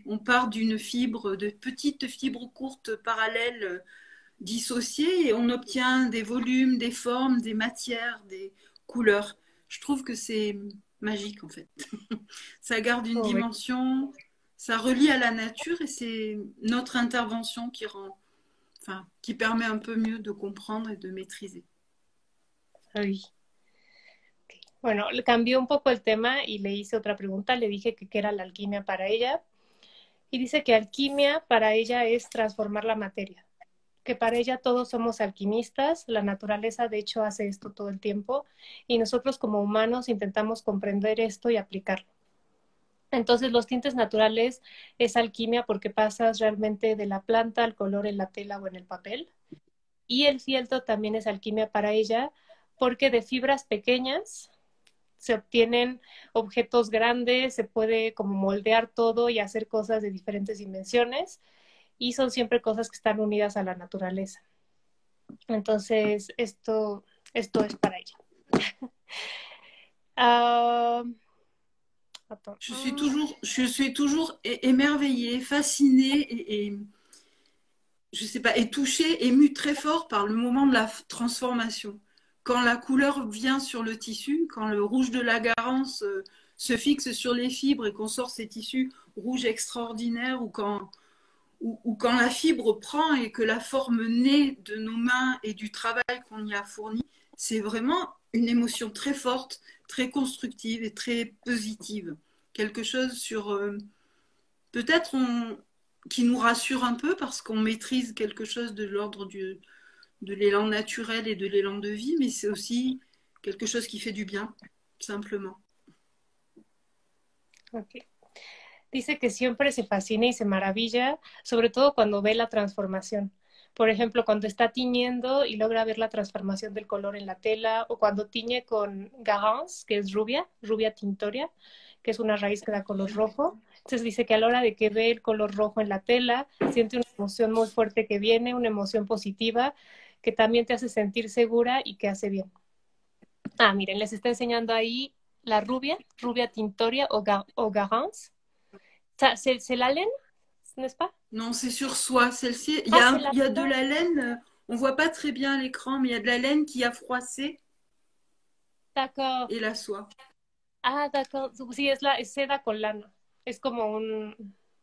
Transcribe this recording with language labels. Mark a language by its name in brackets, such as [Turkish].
[French] On part d'une fibre, de petites fibres courtes parallèles dissociées et on obtient des volumes, des formes, des matières, des couleurs. Je trouve que c'est magique, en fait. Ça garde une Oh, dimension. Ça relie à la nature et c'est notre intervention qui rend, enfin, qui permet un peu mieux de comprendre et de maîtriser. oui. Okay. [Spanish] Bueno, le cambió un poco el tema y le hice otra pregunta. Le dije que qué era la alquimia para ella. Y dice que alquimia para ella es transformar la materia. Que para ella todos somos alquimistas, la naturaleza de hecho hace esto todo el tiempo. Y nosotros como humanos intentamos comprender esto y aplicarlo. Entonces, los tintes naturales es alquimia porque pasas realmente de la planta al color en la tela o en el papel. Y el fieltro también es alquimia para ella porque de fibras pequeñas se obtienen objetos grandes, se puede como moldear todo y hacer cosas de diferentes dimensiones. Y son siempre cosas que están unidas a la naturaleza. Entonces, esto es para ella. [French] Je suis toujours émerveillée, fascinée et je sais pas, et touchée, émue très fort par le moment de la transformation. Quand la couleur vient sur le tissu, quand le rouge de la garance se fixe sur les fibres et qu'on sort ces tissus rouges extraordinaires, ou quand la fibre prend et que la forme naît de nos mains et du travail qu'on y a fourni, c'est vraiment une émotion très forte, très constructive et très positive. Quelque chose sur peut-être qui nous rassure un peu parce qu'on maîtrise quelque chose de l'ordre de l'élan naturel et de l'élan de vie, mais c'est aussi quelque chose qui fait du bien, simplement. Okay. [Spanish] Dice que siempre se fascina y se maravilla, sobre todo cuando ve la transformación. Por ejemplo, cuando está tiñendo y logra ver la transformación del color en la tela, o cuando tiñe con garance, que es rubia tintoria, que es una raíz que da color rojo. Entonces dice que a la hora de que ve el color rojo en la tela, siente una emoción muy fuerte que viene, una emoción positiva, que también te hace sentir segura y que hace bien. Ah, miren, les está enseñando ahí. La rubia tintoria o garance. ¿Se la leen? ¿No es pas? [French] Non, c'est sur soie, celle-ci. Il y Ah, a [Spanish] se la [French] de la laine, on voit pas très bien à l'écran, mais il y a de la laine qui a froissé D'accord. et la soie. Ah, d'accord. [Spanish] Sí, es seda con lana. Es como un.